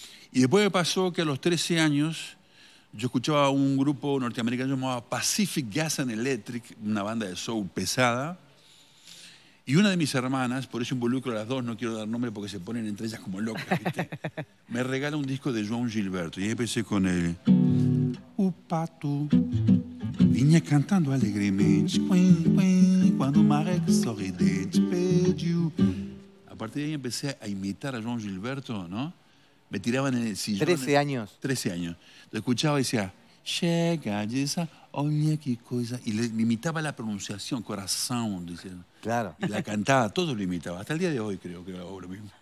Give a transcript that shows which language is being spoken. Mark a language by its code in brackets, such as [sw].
[es] Y después me pasó que a los 13 años. Yo escuchaba un grupo norteamericano llamado Pacific Gas and Electric, una banda de soul pesada. Y una de mis hermanas, por eso involucro a las dos, no quiero dar nombre porque se ponen entre ellas como locas, ¿viste? Me regala un disco de João Gilberto. Y ahí empecé con el... [pt] O pato vinha cantando alegremente quim, quim, quando o marek sorridente pediu. [es] A partir de ahí empecé a imitar a João Gilberto, ¿no? Me tiraban en el sillón. 13 años. 13 años. Lo escuchaba y decía, llega, esa, oye, qué cosa. Y le imitaba la pronunciación, corazón, dice. Claro. Y la cantaba, todo lo imitaba. Hasta el día de hoy creo que hago lo mismo.